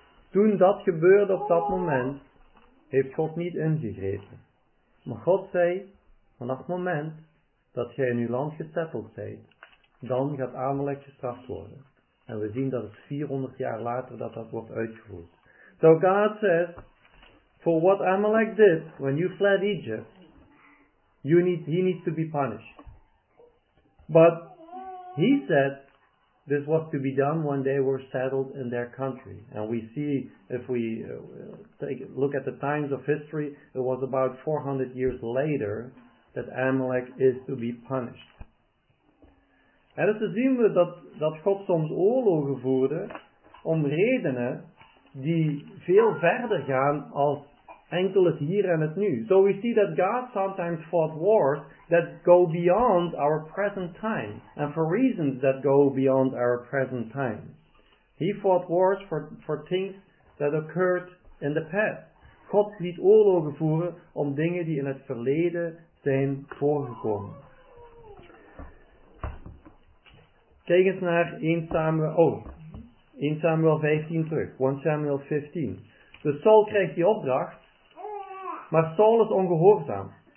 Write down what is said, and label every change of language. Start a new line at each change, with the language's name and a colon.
Dutch: Toen dat gebeurde op dat moment, heeft God niet ingegrepen. Maar God zei, vanaf het moment dat gij in uw land gesetteld zijt, dan gaat Amalek gestraft worden. En we zien dat het 400 jaar later dat dat wordt uitgevoerd.
English: So God says, for what Amalek did when you fled Egypt, he needs to be punished. But he said this was to be done when they were settled in their country. And we see, if we look at the times of history, it was about 400 years later that Amalek is to be punished.
Dutch: En het te zien we dat God soms oorlogen voerde om redenen die veel verder gaan als enkel het hier en het nu.
English: So we see that God sometimes fought wars that go beyond our present time. And for reasons that go beyond our present time. He fought wars for things that occurred in the past.
Dutch: God liet oorlogen voeren om dingen die in het verleden zijn voorgekomen. Kijk eens naar 1 Samuel 15 terug. 1 Samuel 15. Dus Saul krijgt die opdracht. Maar Saul is ongehoorzaam.